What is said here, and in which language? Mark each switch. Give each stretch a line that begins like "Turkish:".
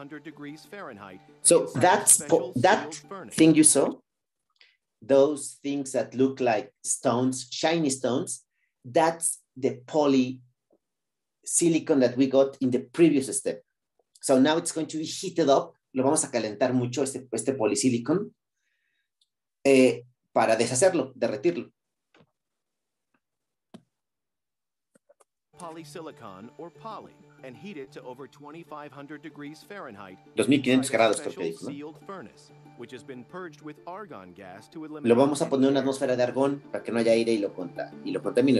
English: Degrees Fahrenheit. So that thing you saw, those things that look like stones, shiny stones, that's the poly silicon that we got in the previous step. So now it's going to be heated up.
Spanish: Lo vamos a calentar mucho este polisilicon para deshacerlo, derretirlo.
English: Polysilicon or poly and heat it to over 2500 degrees Fahrenheit.
Spanish: 2500 grados, creo que dijo, ¿no?
English: Sealed furnace, which has been purged with argon gas to eliminate.
Spanish: Lo vamos a poner en una atmósfera de argón para que no haya aire y lo contamine.